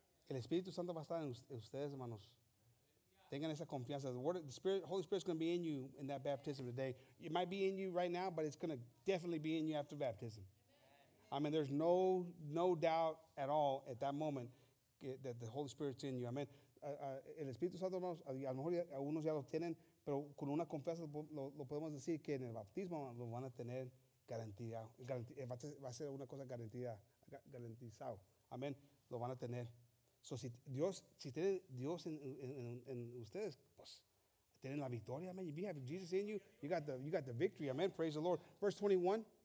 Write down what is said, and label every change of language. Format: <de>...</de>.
<es>El Espíritu Santo va a estar en ustedes, hermanos. Tengan esa confianza.</es> <en>The Holy Spirit is going to be in you in that baptism today. It might be in you right now, but it's going to definitely be in you after baptism. I mean, there's no doubt at all at that moment that the Holy Spirit's in you. Amen.</en> <es>El Espíritu Santo, hermanos, a lo mejor algunos ya lo tienen, pero con una confianza lo podemos decir que en el bautismo lo van a tener garantía. Va a ser una cosa garantizado. Amén. Lo van a tener. So, si tiene Dios en ustedes, pues, tienen la victoria. Amén.</es> <en>If you have Jesus in you, you got the victory. Amén. Praise the Lord. Verse 21.</en>